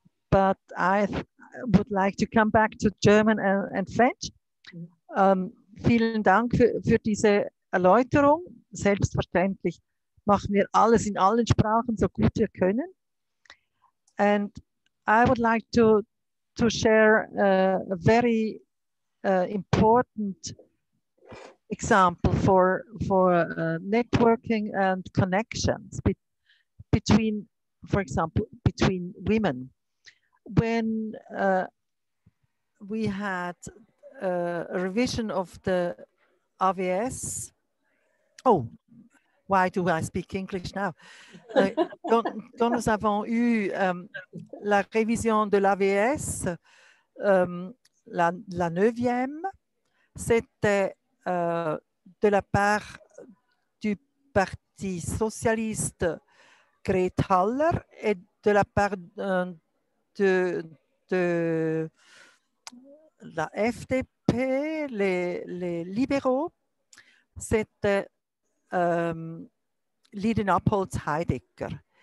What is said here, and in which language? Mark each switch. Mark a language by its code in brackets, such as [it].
[en] But I would like to come back to German and French. [de] Vielen Dank für diese Erläuterung. Selbstverständlich machen wir alles in allen Sprachen so gut wir können. [en] And I would like to share a very important example for networking and connections between, for example, between women. When we had a revision of the AVS, oh, why do I speak English now? [fr] quand nous avons eu la révision de l'AVS, la neuvième, c'était de la part du Parti socialiste Gret Haller et de la part de la FDP, les libéraux, c'était Lydia Napolz-Heidegger.